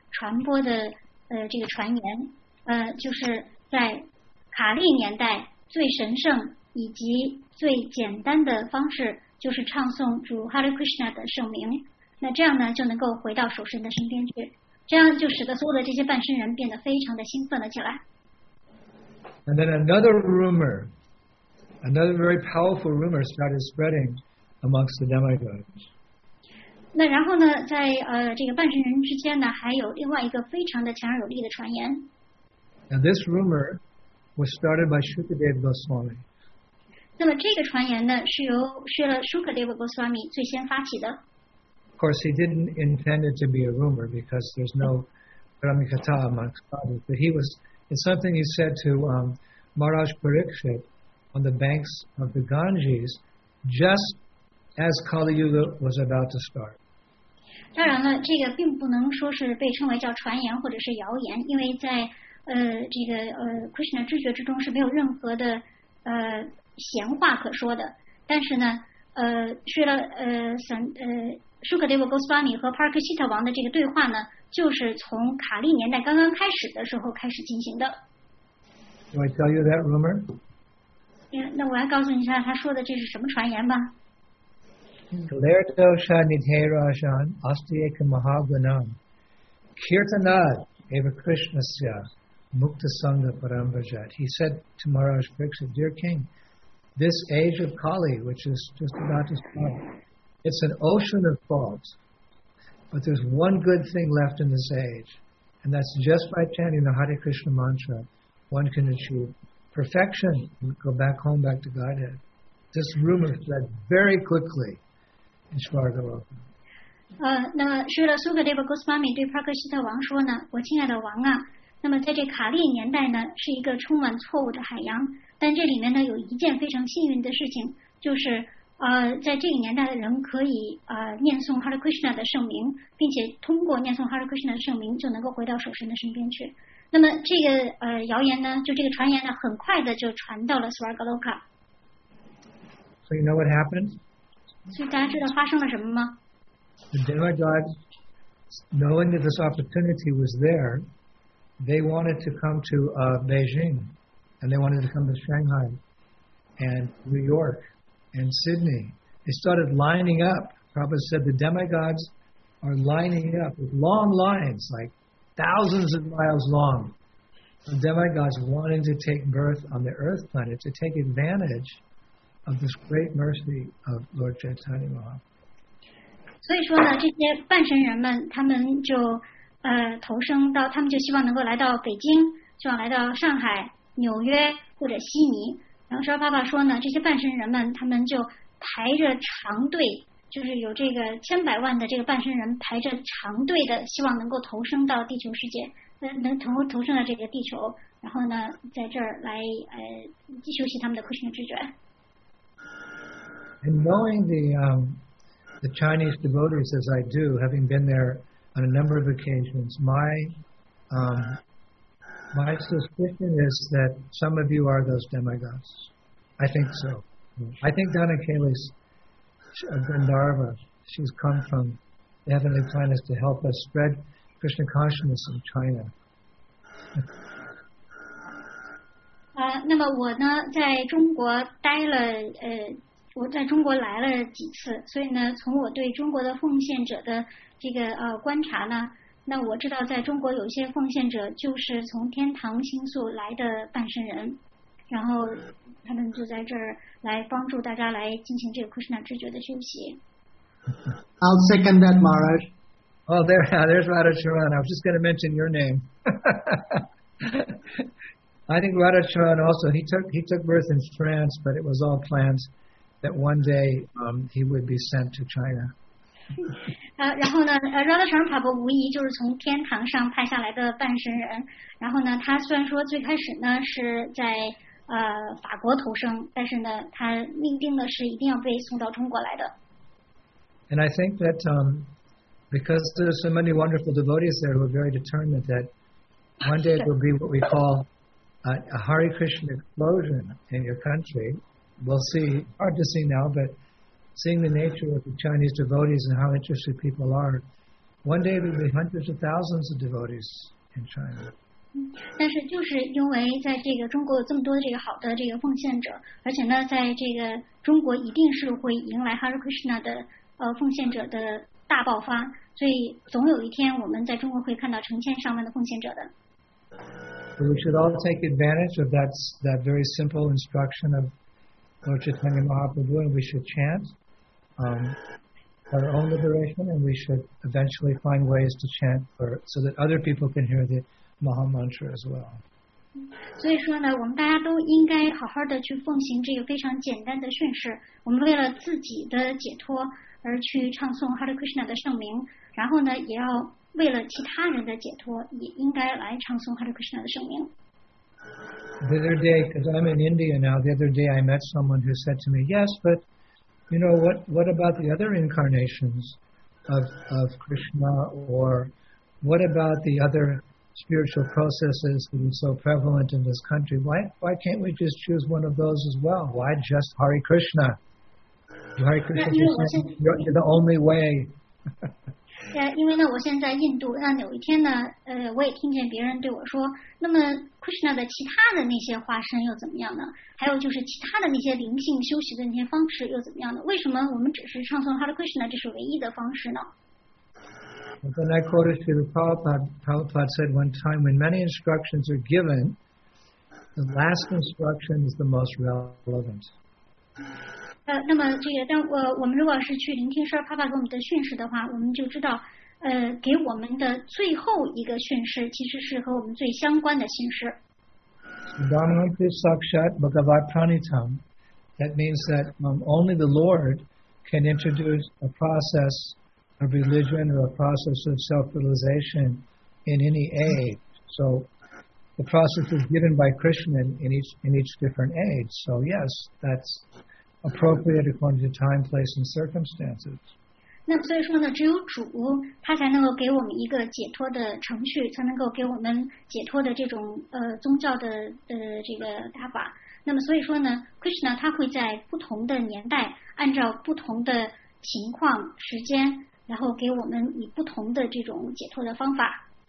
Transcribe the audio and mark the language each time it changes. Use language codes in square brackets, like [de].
[zh] 传播的这个传言就是在卡利年代最神圣以及最简单的方式就是唱诵主 Hare Krishna 的圣名，那这样呢就能够回到守神的身边去，这样就使得所有的这些半身人变得非常的兴奋了起来。 [en] And then another rumor, another very powerful rumor started spreading amongst the demigods. [zh] 那然后呢，在这个半神人之间呢，还有另外一个非常的强而有力的传言。 [en] Now this rumor was started by Shukadeva Goswami. [zh] 那么这个传言呢，是由Shukadeva Goswami 最先发起的。 [en] Of course, he didn't intend it to be a rumor because there's no Brahmikata amongst Kali. But he was, it's something he said to Maharaj Parikshit on the banks of the Ganges, just. As Kali Yuga was about to start. [zh] 当然了，这个并不能说是被称为叫传言或者是谣言，因为在这个Krishna 知觉之中是没有任何的闲话可说的。但是呢，Shukadeva Goswami 和 Parikshita 王的这个对话呢，就是从卡利年代刚刚开始的时候开始进行的。 [en] Do I tell you that rumor? [zh] 那我来告诉你一下，他说的这是什么传言吧。 [sa] Kalerdosha Nidhe Rajan Astyeka Mahagunam Kirtanad Eva Krishnasya Mukta Sangha Parambajat. [en] He said to Maharaj Pariksit, Dear King, this age of Kali, which is just about to start, it's an ocean of faults, but there's one good thing left in this age, and that's just by chanting the Hare Krishna mantra, one can achieve perfection and go back home, back to Godhead. This rumor spread very quickly. [zh] 那是的，苏格德巴戈斯玛米对帕克西特王说呢，我亲爱的王啊，那么在这卡利年代呢，是一个充满错误的海洋，但这里面呢有一件非常幸运的事情，就是在这个年代的人可以念诵 Hare Krishna 的圣名，并且通过念诵 Hare Krishna 的圣名就能够回到守神的身边去。那么这个谣言呢，就这个传言呢，很快的就传到了 Svargaloka。 [en] So you know what happened? [zh] 所以大家知道发生了什么吗 [en] ？The demigods, knowing that this opportunity was there, they wanted to come to Beijing, and they wanted to come to Shanghai, and New York, and Sydney. They started lining up. Prabhupada said the demigods are lining up with long lines, like thousands of miles long. The demigods wanting to take birth on the Earth planet to take advantage. Of this great mercy of Lord Chaitanya Mahaprabhu. [zh] 所以说呢，这些半神人们，他们就投生到，他们就希望能够来到北京，希望来到上海、纽约或者悉尼。然后说爸爸说呢，这些半神人们，他们就排着长队，就是有这个千百万的这个半神人排着长队的，希望能够投生到地球世界，能投生到这个地球，然后呢，在这儿来修习他们的 Krishna 知觉。 [en] And knowing the Chinese devotees as I do, having been there on a number of occasions, my My suspicion is that some of you are those demigods. I think so. I think Dhanakali's Gandharva. She's come from the heavenly planets to help us spread Krishna consciousness in China. [zh] 那么我呢，在中国待了，我在中国来了几次，所以呢，从我对中国的奉献者的这个观察呢，那我知道在中国有些奉献者就是从天堂星宿来的半身人，然后他们就在这儿来帮助大家来进行这个 Krishna 知觉的修习。 [en] I'll second that, Maharaj. Well, there's Radhacharan. I was just going to mention your name. I think Radhacharan also, he took birth in France, but it was all planned that one day he would be sent to China. [zh] 然后呢 Radhacharan Prabhu 无疑就是从天堂上派下来的半身人，然后呢他虽然说最开始呢是在法国投生，但是呢他命定的是一定要被送到中国来的。 [en] And I think that because there are so many wonderful devotees there who are very determined that one day it will be what we call a Hare Krishna explosion in your country. We'll see, hard to see now, but seeing the nature of the Chinese devotees and how interested people are, one day there will be hundreds of thousands of devotees in China. [zh] 但是就是因为在这个中国有这么多这个好的这个奉献者，而且呢，在这个中国一定是会迎来 Hare Krishna 的奉献者的大爆发，所以总有一天我们在中国会看到成千上万的奉献者的。 [en] So we should all take advantage of that very simple instruction of Lord Chaitanya Mahaprabhu, and we should chant our own liberation, and we should eventually find ways to chant for so that other people can hear the Maha Mantra as well. [zh] 所以说呢，我们大家都应该好好的去奉行这个非常简单的训示。我们为了自己的解脱而去唱诵 Hare Krishna 的圣名，然后呢，也要为了其他人的解脱，也应该来唱诵 Hare Krishna 的圣名。 [en] The other day, because I'm in India now, the other day I met someone who said to me, "Yes, but you know what about the other incarnations of Krishna, or what about the other spiritual processes that are so prevalent in this country? Why can't we just choose one of those as well? Why just Hare Krishna?" Hare Krishna, you're the only way. [zh] 因为呢，我现在印度，那有一天呢，我也听见别人对我说，那么 Krishna 的其他的那些化身又怎么样呢？还有就是其他的那些灵性修习的那些方式又怎么样呢？为什么我们只是唱诵 Hare Krishna 这是唯一的方式呢？ [en] Then I quoted to the Prabhupada said one time, when many instructions are given, the last instruction is the most relevant. [zh] 那么这个，但我们如果是去聆听圣帕帕给我们的训示的话，我们就知道，给我们的最后一个训示其实是和我们最相关的训示。 [sa] Dhammanti Sakshat Bhagavat Pranitam, [en] that means that only the Lord can introduce a process of religion or a process of self-realization in any age. So the process is given by Krishna in each different age. So yes, that's appropriate according to time, place, and circumstances. [zh] 那所以说呢，只有主他才能够给我们一个解脱的程序，才能够给我们解脱的这种宗教的这个打法。那么所以说呢 ，Krishna 他会在不同的年代，按照不同的情况、时间，然后给我们以不同的这种解脱的方法。